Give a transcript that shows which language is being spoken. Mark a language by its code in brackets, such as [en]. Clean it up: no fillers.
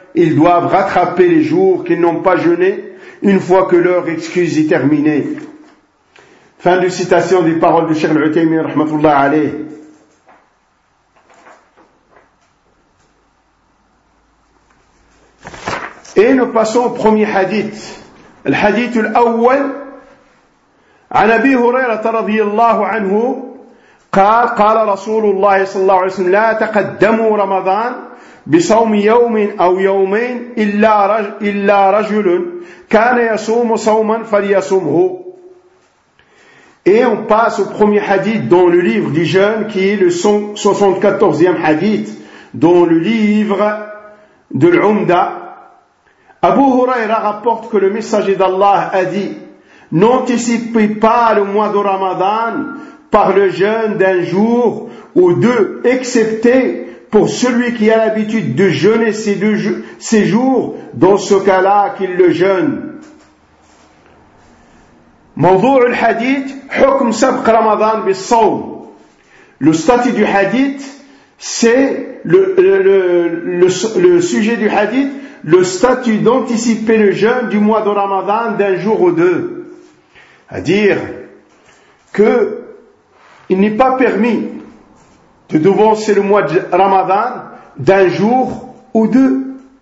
[fr] Ils doivent rattraper les jours qu'ils n'ont pas jeûné une fois que leur excuse est terminée. Fin de citation des paroles du Cheikh Al-Uthaymin rahmatullah alayh. Et nous passons au premier hadith. Le hadith al-awwal. [ar] عن أبي هريرة رضي الله عنه قال قال رسول الله صلى الله عليه وسلم لا تقدموا رمضان بصوم يوم أو يومين إلا رجل كان يصوم صوما فليصومه. [fr] Et on passe au premier hadith dans le livre du jeûne, qui est le 74e hadith dans le livre de l'Umda. Abu Huraira rapporte que le messager d'Allah a dit: n'anticipez pas le mois de Ramadan par le jeûne d'un jour ou deux, excepté pour celui qui a l'habitude de jeûner ces jours, dans ce cas-là qu'il le jeûne. [ar] موضوع الحديث حكم سبق رمضان بالصوم. [fr] Le statut du hadith, c'est le sujet du hadith, le statut d'anticiper le jeûne du mois de Ramadan d'un jour ou deux. À dire que il n'est pas permis de devancer le mois de Ramadan d'un jour ou deux.